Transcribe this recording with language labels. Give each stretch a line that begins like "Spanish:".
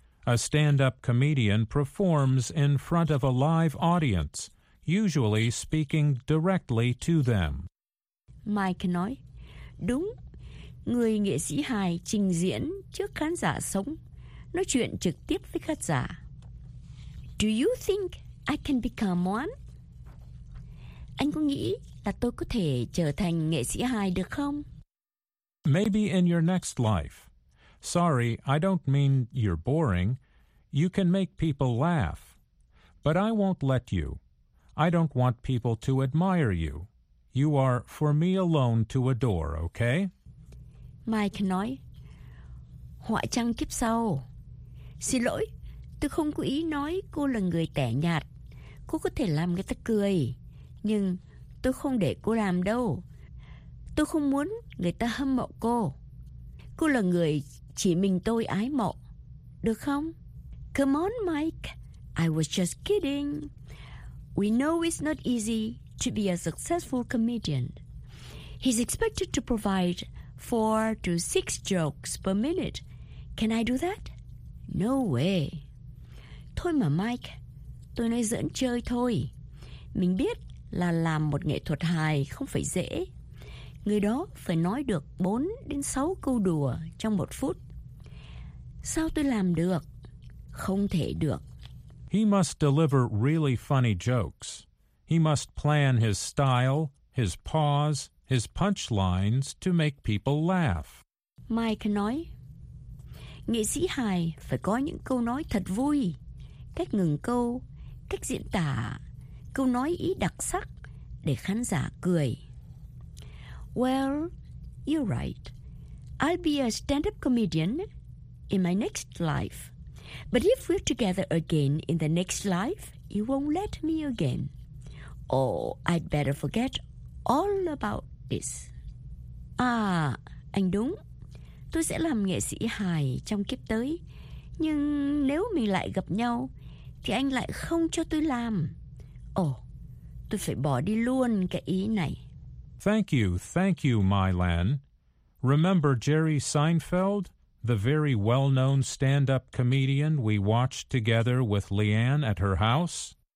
English: A stand-up comedian performs in front of a live audience, usually speaking directly to them.
Vietnamese: Mike nói, đúng, người nghệ sĩ hài trình diễn trước khán giả sống, nói chuyện trực tiếp với khán giả.
English: Do you think I can become one?
Vietnamese: Anh có nghĩ là tôi có thể trở thành nghệ sĩ hài được không?
English: Maybe in your next life. Sorry, I don't mean you're boring. You can make people laugh. But I won't let you. I don't want people to admire you. You are for me alone to adore, okay?
Vietnamese: Mike nói, họa chăng kiếp sau. Xin lỗi, tôi không cố ý nói cô là người tẻ nhạt. Cô có thể làm người ta cười. Nhưng tôi không để cô làm đâu. Tôi không muốn người ta hâm mộ cô. Cô là người chỉ mình tôi ái mộ. Được không?
English: Come on, Mike. I was just kidding. We know it's not easy to be a successful comedian. He's expected to provide 4 to 6 jokes per minute. Can I do that? No way.
Vietnamese: Thôi mà, Mike. Tôi nói giỡn chơi thôi. Mình biết là làm một nghệ thuật hài không phải dễ. Người đó phải nói được 4 đến 6 câu đùa trong 1 phút. Sao tôi làm được? Không thể được.
English: He must deliver really funny jokes. He must plan his style, his pause, his punchlines to make people laugh.
Vietnamese: Mike nói, nghệ sĩ hài phải có những câu nói thật vui, cách ngừng câu, cách diễn tả, câu nói ý đặc sắc để khán giả cười.
English: Well, you're right. I'll be a stand-up comedian in my next life. But if we're together again in the next life, you won't let me again. Oh, I'd better forget all about this.
Vietnamese: Anh đúng. Tôi sẽ làm nghệ sĩ hài trong kiếp tới. Nhưng nếu mình lại gặp nhau, thì anh lại không cho tôi làm. Tôi phải bỏ đi luôn cái ý này.
English: Thank you, My Lan. Remember Jerry Seinfeld? the very well-known stand-up comedian we watched together with Leanne at her house?